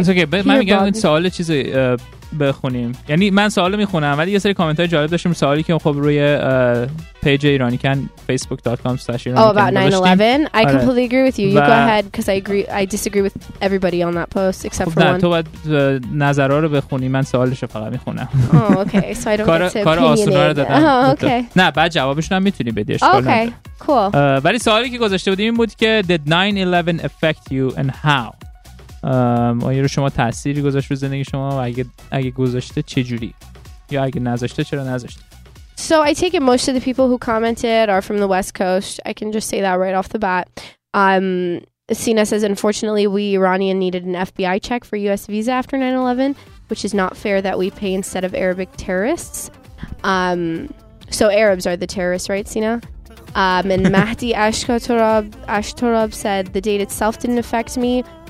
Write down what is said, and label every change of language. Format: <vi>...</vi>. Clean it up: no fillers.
<en>It's okay, but I'm going to ask you a question. I mean, I'm going to ask you a question, but I have a few comments that I have a question that I page iranikan facebook.com/iranikan. Oh, about 9/11. I completely agree with you. You go ahead, because I disagree with everybody on that post except for one.</en> <fa>تو باید نظرها رو بخونی، من سوالش رو فقط میخونم.</fa> <en>Oh, okay. So I don't get to opinionate.</en> <fa>کار آسونا رو دادم.</fa> <en>Okay.</en> <fa>نه، بعد جوابشون هم میتونی بدی.</fa> <en>Okay, cool.</en> <fa>ولی سوالی که گذاشته بودیم این بود که</fa> <en>did 9/11 affect you and how?</en> <fa>آیا رو شما تأثیری گذاشت رو زندگی شما، و اگه گذاشته چجوری، یا اگه نذاشته چرا نذاشته؟</fa> <en>So I take it most of the people who commented are from the West Coast. I can just say that right off the bat. Sina says, unfortunately, we Iranian needed an FBI check for US visa after 9/11, which is not fair that we pay instead of Arabic terrorists. So Arabs are the terrorists, right, Sina? And Mahdi Ashtorab said, the date itself didn't affect me.</en>